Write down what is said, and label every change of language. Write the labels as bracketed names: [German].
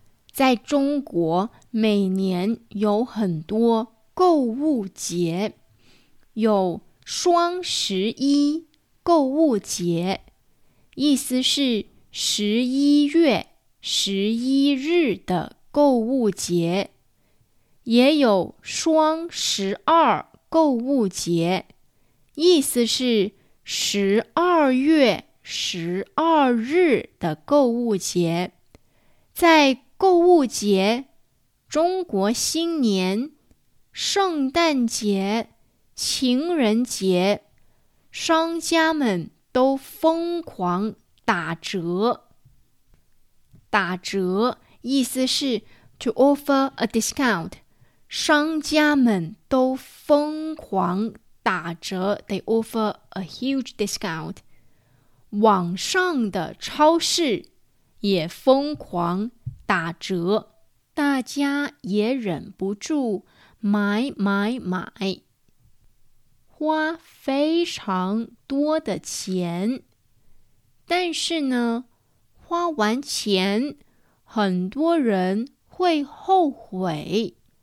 [Chinese] 在中国，每年有很多购物节，有双十一购物节，意思是11月11日的购物节，也有双十二购物节，意思是12月12日的购物节。在购物节，中国新年、圣诞节、情人节，商家们都疯狂打折。打折意思是 [English] to offer a discount. [Chinese] 商家们都疯狂打折， [English] they offer a huge discount. [Chinese] 网上的超市也疯狂打折，大家也忍不住买买买。花非常多的钱，但是呢，花完钱，很多人会后悔。